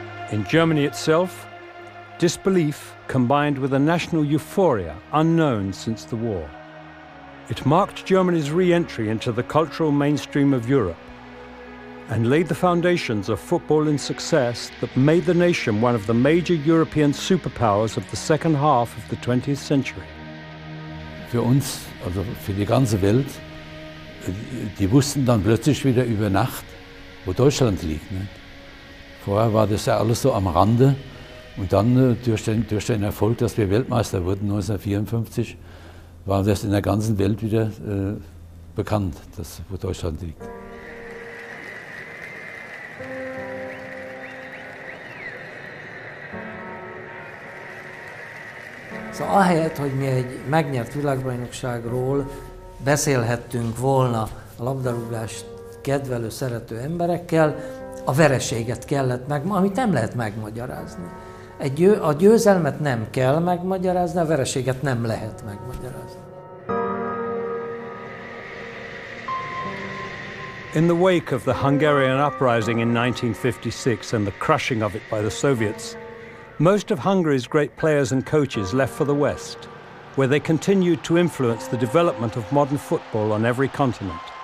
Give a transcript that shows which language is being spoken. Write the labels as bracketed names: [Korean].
[English] In Germany itself, disbelief combined with a national euphoria unknown since the war. It marked Germany's re-entry into the cultural mainstream of Europe and laid the foundations of football in success that made the nation one of the major European superpowers of the second half of the 20th century. [German] Für uns, also für die ganze Welt, die wussten dann plötzlich wieder über Nacht, wo Deutschland liegt. Ne? Vorher war das ja alles so am Rande. Und dann durch den Erfolg, dass wir Weltmeister wurden 1954, war das in der ganzen Welt wieder bekannt, dass wo Deutschland liegt. [Hungarian] So, ahelyett, hogy mi egy megnyert világbajnokságról beszélhettünk volna a labdarúgást kedvelő, szerető emberekkel, a vereséget kellett meg, amit nem lehet megmagyarázni. A győzelmet nem kell megmagyarázni, a vereséget nem lehet megmagyarázni. [English] In the wake of the Hungarian uprising in 1956 and the crushing of it by the Soviets, most of Hungary's great players and coaches left for the West, where they continued to influence the development of modern football on every continent.